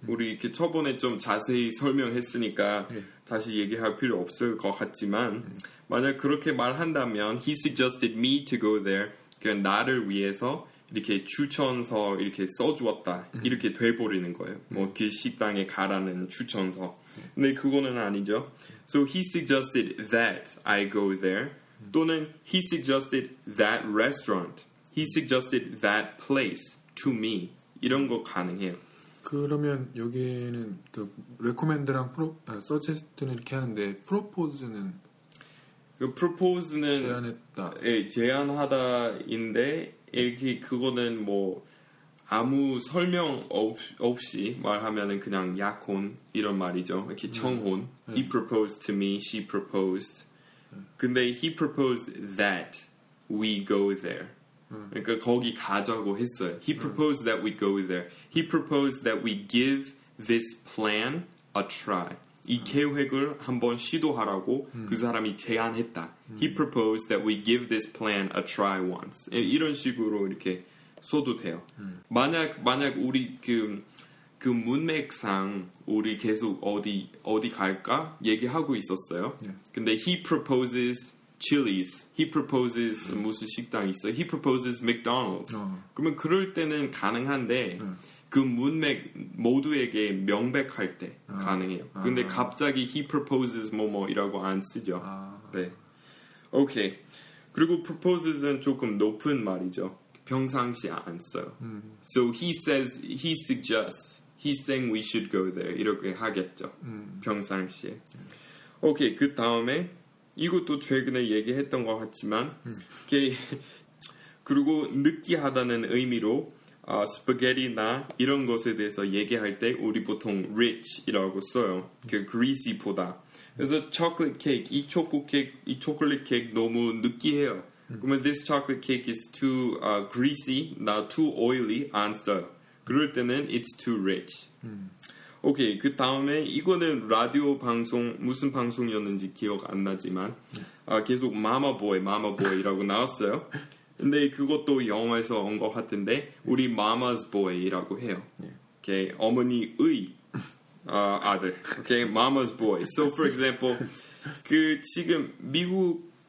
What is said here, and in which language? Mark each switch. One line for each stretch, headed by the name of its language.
Korean: 우리 이렇게 저번에 좀 자세히 설명했으니까 다시 얘기할 필요 없을 것 같지만 만약 그렇게 말한다면
English: he suggested me to go there
Korean: 그냥 나를 위해서 이렇게 추천서 이렇게 써주었다 이렇게 돼버리는 거예요. 뭐 그 식당에 가라는 추천서. 근데 그거는 아니죠.
English: So he suggested that I go there
Korean: 또는
English: he suggested that restaurant, he suggested that place to me
Korean: 이런 거 가능해요. 그러면 여기에는 그 recommend랑 suggest는 이렇게 하는데 propose는 그 propose는 제안했다. 예, 제안하다인데 이렇게 그거는 뭐 아무 설명 없이 말하면은 그냥 약혼 이런 말이죠. 이렇게 청혼.
English: He proposed to me, she proposed.
Korean: 근데
English: he proposed that we go there.
Korean: 그러니까 거기 가자고 했어요.
English: He proposed that we go there. He proposed that we give this plan a try.
Korean: 이 계획을 한번 시도하라고 그 사람이 제안했다.
English: He proposed that we give this plan a try once.
Korean: 이런 식으로 이렇게 써도 돼요. 만약 우리 그 문맥상 우리 계속 어디 갈까 얘기하고 있었어요. 근데
English: he proposes Chili's. He proposes
Korean: 무슨 식당 있어?
English: He proposes McDonald's.
Korean: 그러면 그럴 때는 가능한데 그 문맥 모두에게 명백할 때 가능해요. 근데 갑자기
English: he proposes
Korean: 뭐뭐이라고 안 쓰죠. 네. 오케이. 그리고 proposes는 조금 높은 말이죠. 평상시에 안 써요.
English: So he says, he suggests, he's saying we should go there.
Korean: 이렇게 하겠죠. 평상시에. 오케이. 그 다음에 이것도 최근에 얘기했던 것 같지만 그리고 느끼하다는 의미로 스파게티나 이런 것에 대해서 얘기할 때 우리 보통 rich이라고 써요. 그 greasy보다. 그래서 chocolate cake, 이 초콜릿 케이크 너무 느끼해요.
English: 그러면 this chocolate cake is too greasy, not too oily,
Korean: 안 써요. 그럴 때는
English: it's too rich.
Korean: 오케이, 그 다음에 이거는 라디오 방송, 무슨 방송이었는지 기억 안 나지만 계속 마마보이 이라고 나왔어요. 근데 그것도 영어에서 온 것 같은데 우리 마마즈보이 이라고 해요. 오케이, 어머니의 아들. 오케이, 마마즈보이.
English: So for example,
Korean: 그 지금 미국